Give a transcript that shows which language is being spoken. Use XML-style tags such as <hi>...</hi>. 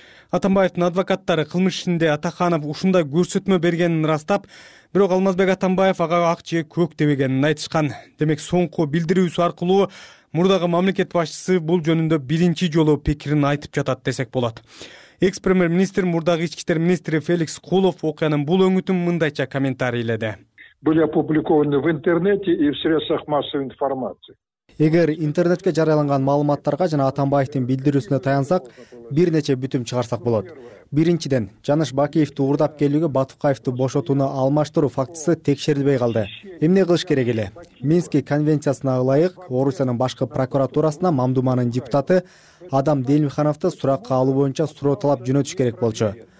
<ky>Атамбаевдин адвокаттары кылмыш ишинде Атаханов ушундай көрсөтмө бергенин ырастап, бирок Алмазбек Атамбаев ага ак же көк дебегенин айтышкан. Демек соңку билдирүүсү аркылуу мурдагы мамлекет башчысы бул жөнүндө биринчи жолу пикирин айтып жатат десек болот. Экс-премьер-министр мурдагы ички иштер министри Феликс Кулов окуянын бул өңүтүн мындайча комментарийледи.</ky> <ru>Были опубликованы в интернете и в средствах массовой информации.</ru> <ky>Эгер интернетке жарыяланган маалыматтарга жана Атамбаевдин билдирүүсүнө таянсак, бир нече бүтүм чыгарсак болот. Биринчиден, Жаныш Бакиевди уурдап келүүгө Батукаевди бошотууну алмаштыруу фактысы текшерилбей калды. Эмне кылыш керек эле? Мински конвенциясына ылайык, Орусиянын башкы прокуратурасына мамдуманын депутаты Адам Делимхановду суракка алуу боюнча суроо талап жөнөтүш керек болчу.</ky>